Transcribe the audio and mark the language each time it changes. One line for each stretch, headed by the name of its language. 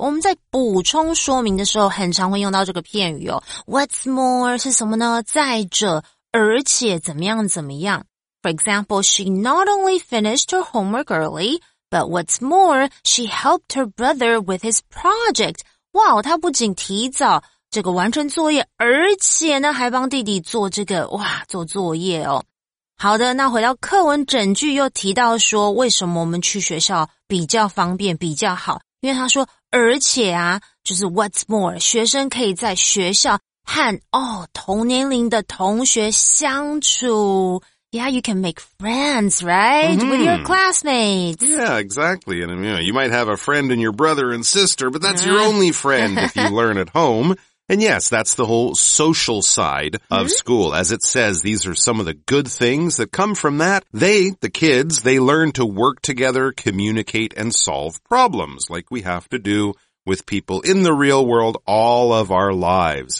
Chinese: 我们在补充说明的时候很常会用到这个片语哦。
English: What's more
Chinese: 是什么呢？再者，而且怎么样怎么样。
English: For example, she not only finished her homework early, but what's more, she helped her brother with his project.
Chinese: 哇，她不仅提早这个完成作业，而且呢还帮弟弟做这个，哇，做作业哦。好的，那回到课文整句又提到说为什么我们去学校比较方便比较好，因为他说而且啊，就是 what's more, 学生可以在学校和哦同年龄的同学相处。
English: Yeah, you can make friends, right? With your classmates. Yeah, exactly. And you know, you might have a friend in your brother and sister, but that's your only friend if you learn at home. And yes, that's the whole social side of school. As it says, these are some of the good things that come from that. They, the kids, they learn to work together, communicate, and solve problems like we have to do with people in the real world all of our lives.